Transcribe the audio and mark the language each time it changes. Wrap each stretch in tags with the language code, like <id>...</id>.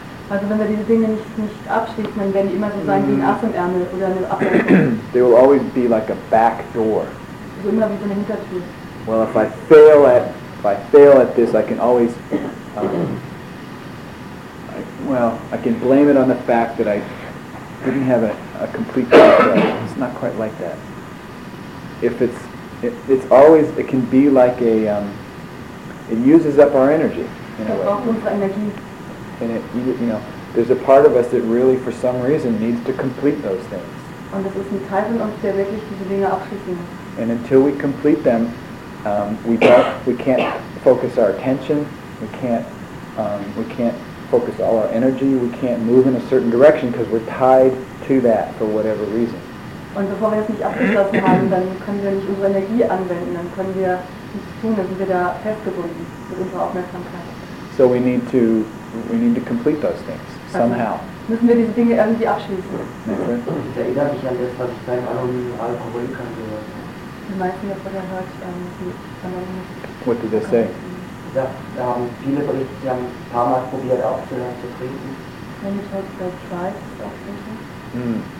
<de>Also wenn wir diese Dinge nicht abschließen, dann werden die immer so sein wie ein Ass im Ärmel oder eine Ablenkung.</de> <en>They will always be like a back door.</en> <de>Also immer wie so eine Hintertür.</de> <en>Well, if I fail at this, I can always, I can blame it on the fact that I didn't have a complete control. It's not quite like that. It can be like it uses up our energy. In a way. And it, you know, there's a part of us that really, for some reason, needs to complete those things.</en> <de>Und es ist ein Teil von uns, der wirklich diese Dinge abschließen muss.</de> <en>And until we complete them, we can't focus our attention. We can't focus all our energy. We can't move in a certain direction because we're tied to that for whatever reason.</en> <de>Und bevor wir das nicht abgeschlossen haben, dann können wir nicht unsere Energie anwenden. Dann können wir nichts tun. Dann sind wir da festgebunden mit unserer Aufmerksamkeit.</de> <en>So we need to complete those things somehow.</en> <de>Also, müssen wir diese Dinge irgendwie abschließen? Ich erinnere mich an das, was ich bei Alkoholikern gehört habe. Die meisten davon haben halt die</de> <en>What did they say?</en> <de>Da haben viele berichtet, sie haben ein paar Mal probiert aufzuhören zu trinken. Wenn ich heute bei zwei aufzuhören.</de>